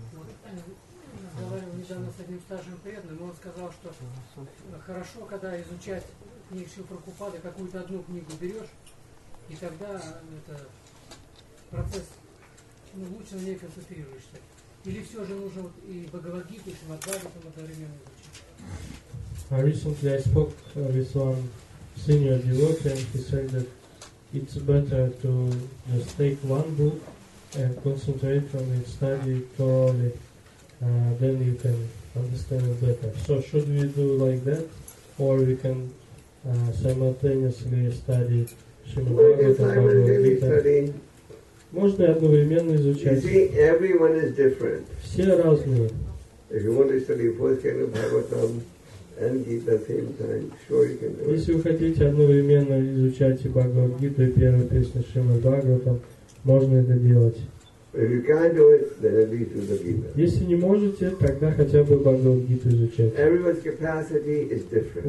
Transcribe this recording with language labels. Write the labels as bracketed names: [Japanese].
[Russian] Вот, разговаривал недавно с одним старшим преданным, он сказал, что хорошо, когда изучать книгу Шрилы Прабхупады, какую-то одну книгу берешь, и тогда это процесс, ну, лучше на ней концентрируешься. Или все же нужно вот и Бхагавад-гиту, и Шримад-бхагаватам там одновременно изучить? [English] Recently I spoke with one senior devotee and he said that it's better to just take one book and concentrate on it, study thoroughly, then you can understand it better. So should we do like that or we can simultaneously study Shrimad-Bhagavatam? [Russian] Можно одновременно изучать. [English] You see, everyone is different. [Russian] Все разные. [English] If you want to study first kind of Bhagavatam, [Russian] если вы хотите одновременно изучать и Бхагавад-гиту, и первую песню Шримад-Бхагаватам, можно это делать. Если не можете, тогда хотя бы Бхагавад-гиту изучать. [English] Everyone's capacity is different.